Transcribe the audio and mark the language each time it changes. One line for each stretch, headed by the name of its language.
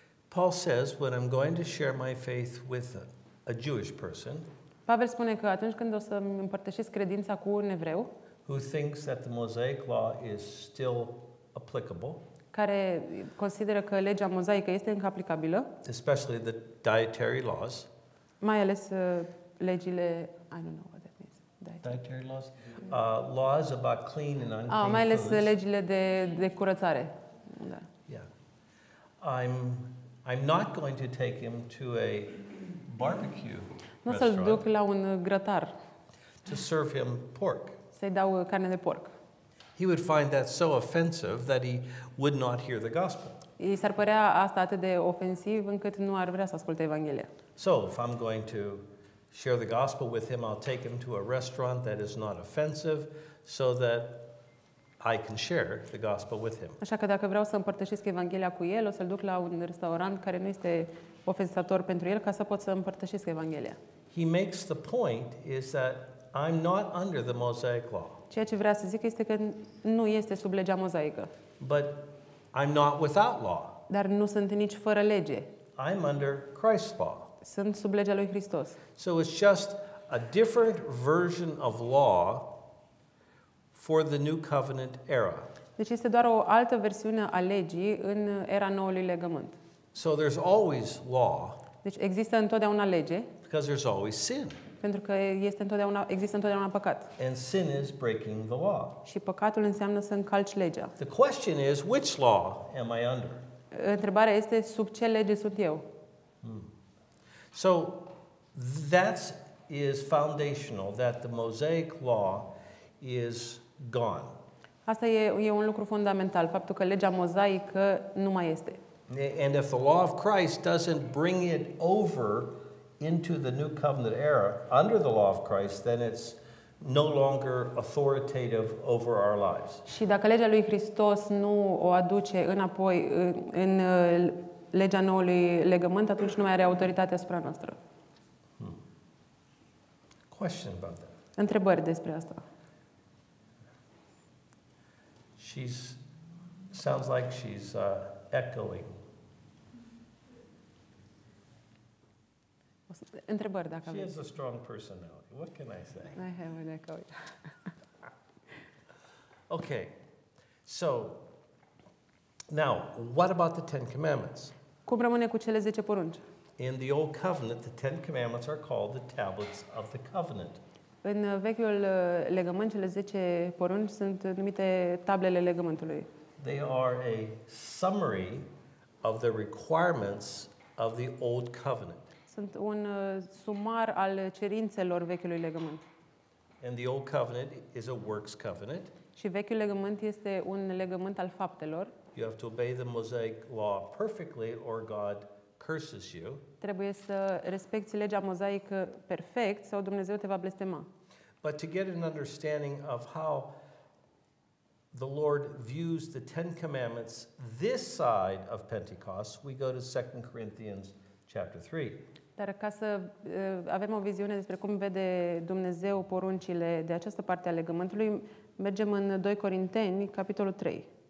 English: Paul says when I'm going to share my faith with a Jewish person.
Romanian: Pavel spune că atunci când o să îmi împărtășesc credința cu un evreu,
English: who thinks that the Mosaic law is still applicable?
Romanian: Care consideră că legea mozaică este încă aplicabilă?
English: Especially the dietary laws.
Romanian: Mai ales legile,
English: I don't know what that means. Dietary laws. Laws about clean and unclean.
Romanian: Mai ales
English: foods.
Romanian: Legile de curățare. Da.
English: I'm not going to take him to a barbecue.
Romanian: Nu să-l duc la un grătar.
English: To serve him pork.
Romanian: Să-i dau carne de porc.
English: He would find that so offensive that he would not hear the gospel.
Romanian: I s-ar părea asta atât de ofensiv încât nu ar vrea să asculte Evanghelia.
English: So, if I'm going to share the gospel with him, I'll take him to a restaurant that is not offensive so that I can share the gospel with him.
Romanian: Așa că dacă vreau să împărtășesc Evanghelia cu el, o să-l duc la un restaurant care nu este ofensator pentru el, ca să pot să împărtășesc Evanghelia.
English: He makes the point is that I'm not under the Mosaic law.
Romanian: Ceea ce vrea să zic este că nu este sub legea mozaică.
English: But I'm not without law.
Romanian: Dar nu sunt nici fără lege.
English: I'm under Christ's law.
Romanian: Sunt sub legea lui Hristos.
English: So it's just a different version of law for the new covenant era.
Romanian: Deci este doar o altă versiune a legii în era noului legământ.
English: So there's always law.
Romanian: Deci există întotdeauna lege.
English: Because there's always sin.
Romanian: Pentru că există întotdeauna păcat.
English: And sin is breaking the law.
Romanian: Și păcatul înseamnă să încalci legea.
English: The question is which law am I under?
Romanian: Întrebarea este sub ce lege sunt eu?
English: So that is foundational that the Mosaic law is gone.
Romanian: Asta e un lucru fundamental, faptul că legea mozaică nu mai este.
English: And if the law of Christ doesn't bring it over into the new covenant era under the law of Christ, then it's no longer authoritative over our lives.
Romanian: Și dacă legea lui Hristos nu o aduce înapoi în legea noului legământ, atunci nu mai are autoritate asupra noastră.
English: Question about that.
Romanian: Întrebări despre asta.
English: She's sounds like she's echoing.
Romanian: Întrebări dacă aveți.
English: She has a strong personality. What can I say? I have an echo. Okay. So now, what about the Ten Commandments?
Romanian: Cum rămâne cu cele 10 porunci?
English: In the Old Covenant, the Ten Commandments are called the Tablets of the Covenant.
Romanian: În vechiul legământ, cele 10 porunci sunt numite tablele legământului.
English: They are a summary of the requirements of the old covenant.
Romanian: Sunt un sumar al cerințelor vechiului legământ.
English: And the old covenant is a works covenant.
Romanian: Și vechiul legământ este un legământ al faptelor.
English: You have to obey the Mosaic law perfectly or God curses you.
Romanian: Trebuie să respecti legea mozaică perfect sau Dumnezeu te va blestema.
English: But to get an understanding of how the Lord views the Ten Commandments this side of Pentecost, we go to 2 Corinthians chapter 3.
Romanian: Dar ca să avem o viziune despre cum vede Dumnezeu poruncile de această parte a legământului, mergem în 2 Corinteni capitolul 3.